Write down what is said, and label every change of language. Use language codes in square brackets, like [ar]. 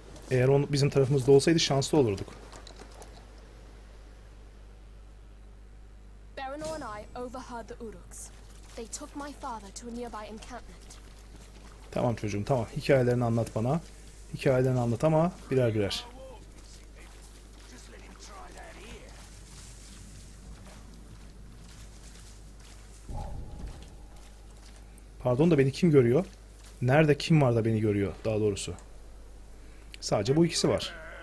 [tr] Eğer onu bizim tarafımızda olsaydı şanslı olurduk. [en] Baranor and I overheard the Uruks. They took my father to a nearby encampment. [tr] Tamam çocuğum, tamam. Hikayelerini anlat bana. Hikayelerini anlat ama birer birer. Pardon da beni kim görüyor? Nerede kim var da beni görüyor daha doğrusu? Sadece bu ikisi var.